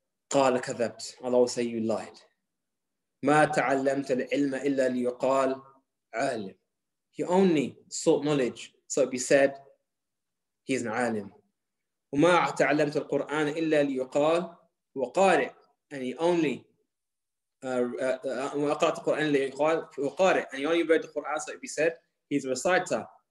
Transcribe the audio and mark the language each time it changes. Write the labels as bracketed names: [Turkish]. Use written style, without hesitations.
[Arabic] قَالَ كَذَبْتْ. [English] Allah will say, you lied. [Arabic] مَا تَعَلَّمْتَ الْعِلْمَ إِلَّا لِيُقَالْ عَالِمْ. [English] He only sought knowledge, so it be said, he is an alim. [Arabic] وَمَا تَعَلَّمْتَ الْقُرْآنَ إِلَّا لِيُقَالْ وَقَارِئْ. [English] And he only [Arabic] وَقَرَأْتَ الْقُرْآنَ لِيُقَالْ وَقَارِئْ. [English] And he only read the Qur'an, so it be said, he's a reciter.